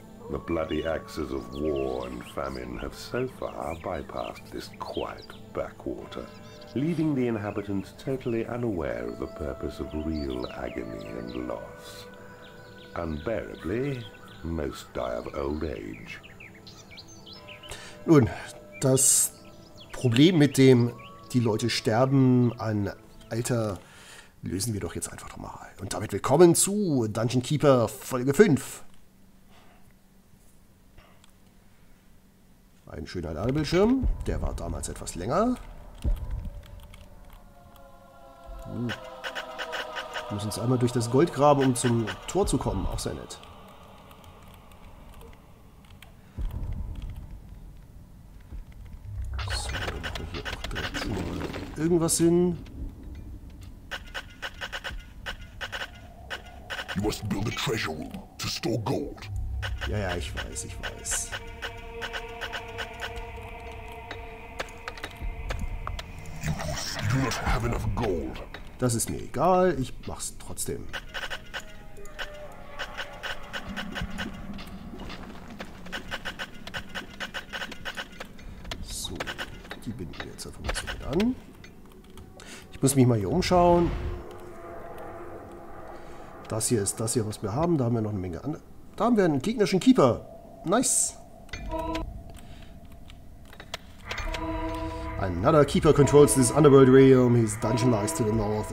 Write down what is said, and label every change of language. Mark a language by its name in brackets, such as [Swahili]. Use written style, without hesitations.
[English] The bloody axes of war and famine have so far bypassed this quiet backwater, leaving the inhabitants totally unaware of the purpose of real agony and loss. Unbearably, most die of old age. [German] Nun, das Problem mit dem, die Leute sterben an Alter, lösen wir doch jetzt einfach mal. Und damit willkommen zu Dungeon Keeper Folge 5. Ein schöner Ladebildschirm, der war damals etwas länger. Wir müssen uns einmal durch das Gold graben, um zum Tor zu kommen, auch sehr nett. So, dann machen wir hier auch direkt schon mal irgendwas hin. [English] You must build a treasure room to store gold. [German] Ja, ja, ich weiß, ich weiß. [English] You do not have enough gold. [German] Das ist mir egal, ich mach's trotzdem. So, die binden wir jetzt einfach mal so mit an. Ich muss mich mal hier umschauen. Das hier ist das hier, was wir haben. Da haben wir noch eine Menge an. Da haben wir einen gegnerischen Keeper. [English] Nice. Another keeper controls this underworld realm. His dungeon lies to the north.